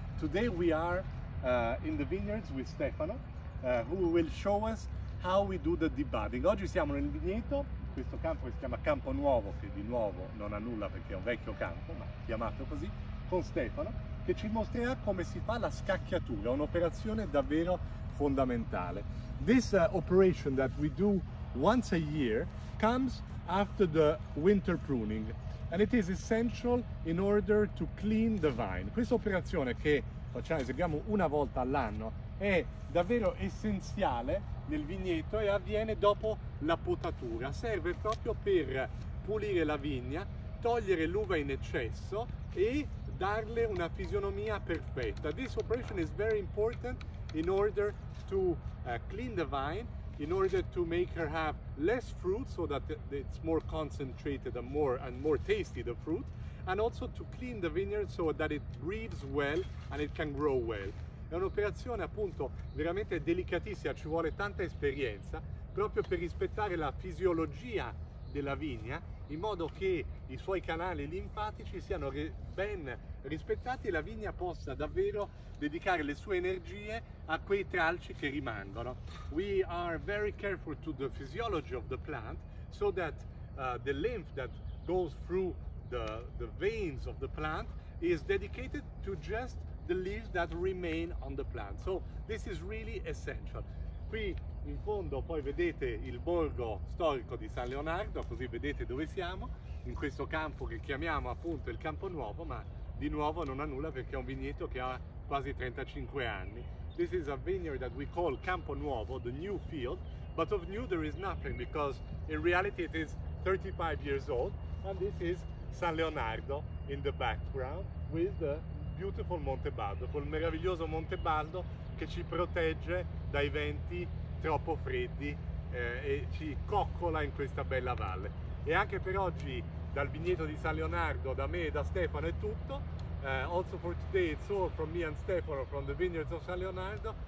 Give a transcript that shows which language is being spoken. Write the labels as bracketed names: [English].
[English] Today we are in the vineyards with Stefano, who will show us how we do the debudding. [Italian] Oggi siamo nel vigneto, questo campo che si chiama Campo Nuovo, che di nuovo non ha nulla perché è un vecchio campo, ma chiamato così, con Stefano, che ci mostrerà come si fa la scacchiatura, un'operazione davvero fondamentale. [English] This operation that we do once a year comes after the winter pruning, and it is essential in order to clean the vine. [Italian] Questa operazione che facciamo, eseguiamo una volta all'anno, è davvero essenziale nel vigneto e avviene dopo la potatura. Serve proprio per pulire la vigna, togliere l'uva in eccesso e darle una fisionomia perfetta. [English] This operation is very important in order to clean the vine, in order to make her have less fruit so that it's more concentrated and more tasty, the fruit, and also to clean the vineyard so that it breathes well and it can grow well. [Italian] È un'operazione appunto veramente delicatissima, ci vuole tanta esperienza proprio per rispettare la fisiologia della vigna in modo che i suoi canali linfatici siano ben rispettati e la vigna possa davvero dedicare le sue energie a quei tralci che rimangono. [English] We are very careful to the physiology of the plant so that the lymph that goes through the veins of the plant is dedicated to just the leaves that remain on the plant. So this is really essential. [Italian] Qui in fondo poi vedete il borgo storico di San Leonardo, così vedete dove siamo, in questo campo che chiamiamo appunto il Campo Nuovo, ma di nuovo non ha nulla perché è un vigneto che ha quasi 35 anni. [English] This is a vineyard that we call Campo Nuovo, the new field, but of new there is nothing because in reality it is 35 years old, and this is San Leonardo in the background with the beautiful Monte Baldo, [Italian] col meraviglioso Monte Baldo che ci protegge dai venti troppo freddi e ci coccola in questa bella valle. E anche per oggi dal vigneto di San Leonardo, da me e da Stefano è tutto. [English] Also for today it's all from me and Stefano from the vineyards of San Leonardo.